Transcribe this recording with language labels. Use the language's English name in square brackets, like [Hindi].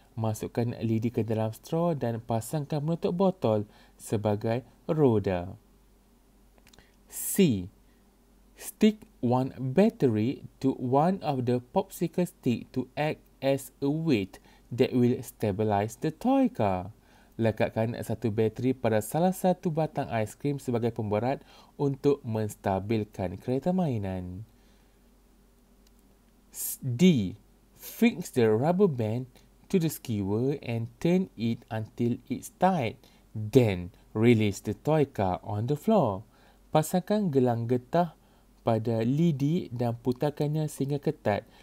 [Malay] Masukkan lidi ke dalam straw dan pasangkan penutup botol sebagai roda. C. [English] Stick one battery to one of the popsicle stick to act as a weight that will stabilize the toy car. [Malay] Lekatkan satu bateri pada salah satu batang aiskrim sebagai pemberat untuk menstabilkan kereta mainan. D. [English] Fix the rubber band to the skewer and turn it until it's tight. Then, release the toy car on the floor. [Malay] Pasangkan gelang getah pada lidi dan putarkannya sehingga ketat.